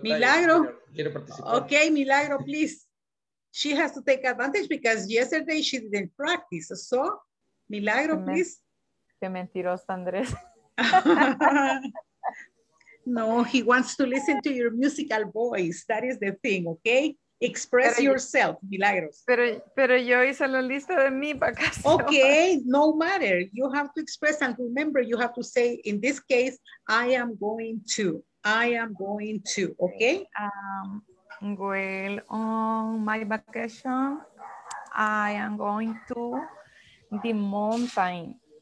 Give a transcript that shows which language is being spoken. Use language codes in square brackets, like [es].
[es] Milagro. Quiero participar. [en] Okay, Milagro, please. She has to take advantage because yesterday she didn't practice. So, Milagro, please. [es] Qué mentiroso, Andrés. [en] No, he wants to listen to your musical voice. That is the thing, okay? Express yourself, Milagros. [es] Pero yo hice la lista de mi vacación. [en] Okay, no matter. You have to express and remember, you have to say, in this case, I am going to, okay? Well, on my vacation, I am going to the mountain.